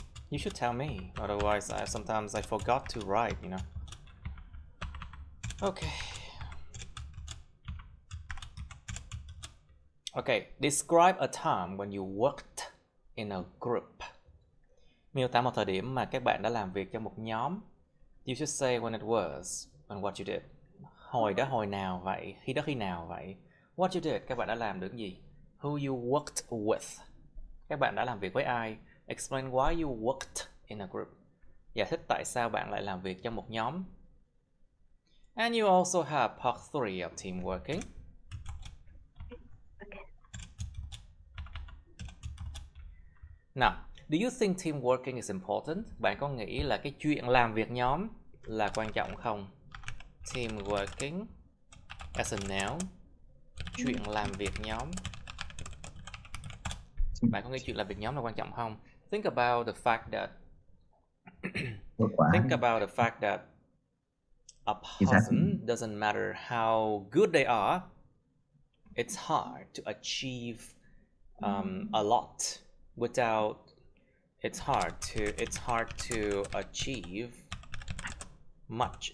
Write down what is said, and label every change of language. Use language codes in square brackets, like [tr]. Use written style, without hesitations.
[en] You should tell me, otherwise I sometimes I forgot to write, you know. Okay, describe a time when you worked in a group. [vi] Miêu tả một thời điểm mà các bạn đã làm việc trong một nhóm. [en] You should say when it was and what you did. [vi] Hồi đó hồi nào vậy? Khi đó khi nào vậy? [en] What you did? [vi] Các bạn đã làm được gì? [en] Who you worked with? [vi] Các bạn đã làm việc với ai? [en] Explain why you worked in a group. [vi] Giải thích tại sao bạn lại làm việc trong một nhóm. [en] And you also have part 3 of teamworking. Now, do you think teamworking is important? [vi] Bạn có nghĩ là cái chuyện làm việc nhóm là quan trọng không? [en] Teamworking as a noun. [vi] Chuyện làm việc nhóm. Bạn có nghĩ chuyện làm việc nhóm là quan trọng không? Tôi [en] Think about the fact that a person doesn't matter how good they are, it's hard to achieve a lot without it's hard to achieve much.